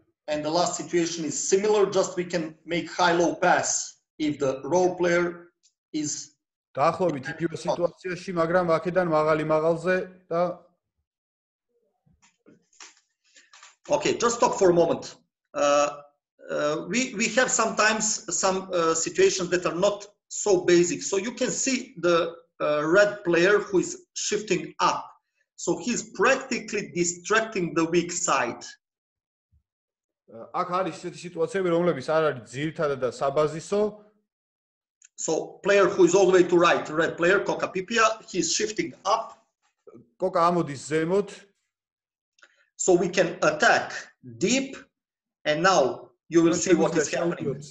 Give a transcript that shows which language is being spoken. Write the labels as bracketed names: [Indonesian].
[English] And the last situation is similar, just we can make high low pass if the role player is [Georgian] დაახლოებით იგივე სიტუაციაში, მაგრამ აქედან მაღალი მაღალზე და [English] Okay, just stop for a moment. We have sometimes some situations that are not so basic. So you can see the red player who is shifting up. So he's practically distracting the weak side. [Georgian] აქ არის ესეთი სიტუაციები, რომლებიც არ არის ძირითადად და საბაზისო. [English] So player who is all the way to right, red player Coca Pipia, he's shifting up. [Georgian] Coca amodis zemot. [English] So we can attack deep and now you will see what is happening.